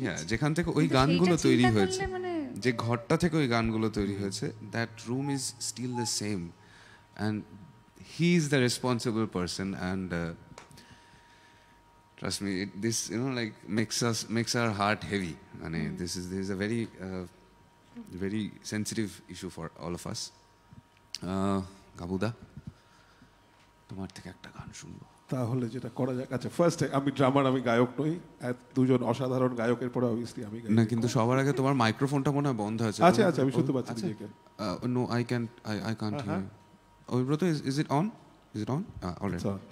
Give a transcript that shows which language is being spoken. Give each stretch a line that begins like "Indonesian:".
Bangla: যেখান থেকে ওই গানগুলো তৈরি হয়েছে, যে ঘরটা থেকে ওই গানগুলো তৈরি হয়েছে,
English: That room is still the same, and he's the responsible person, and trust me, this, you know, like makes our heart heavy. And this is a very very sensitive issue for all of us.
Bangla: Gabuda, tomar theke ekta gaan shunbo. তাহলে যেটা করা যাক, আচ্ছা ফার্স্টে আমি ড্রামার, আমি গায়ক নই, দুজন অসাধারণ গায়কের পরে অবশ্যই আমি গাই না, কিন্তু সবার আগে তোমার মাইক্রোফোনটা মনে হয় বন্ধ আছে। আচ্ছা আচ্ছা, আমি শুনতে পাচ্ছি নিজেকে।
English: No, I can, I can't hear. ওই bro, is it on? Is it on? Already?